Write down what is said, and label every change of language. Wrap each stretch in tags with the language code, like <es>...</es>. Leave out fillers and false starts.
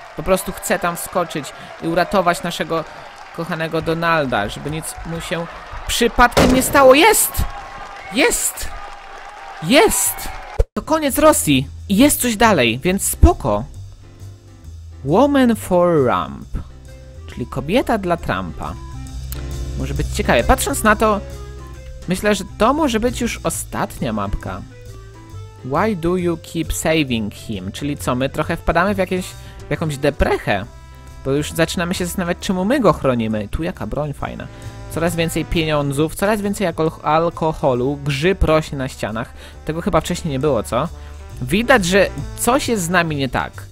<pl>Po prostu chce tam wskoczyć i uratować naszego kochanego Donalda, żeby nic mu się przypadkiem nie stało. Jest! Jest! Jest! To koniec Rosji i jest coś dalej, więc spoko.</pl> <en>Woman for Trump,</en> <pl>czyli kobieta dla Trumpa. Może być ciekawie. Patrząc na to, myślę, że to może być już ostatnia mapka.</pl> <en>Why do you keep saving him?</en> <pl>Czyli co, my trochę wpadamy w jakąś deprechę, bo już zaczynamy się zastanawiać, czemu my go chronimy. Tu jaka broń fajna. Coraz więcej pieniądzów, coraz więcej alkoholu, grzyb rośnie na ścianach. Tego chyba wcześniej nie było, co? Widać, że coś jest z nami nie tak.</pl>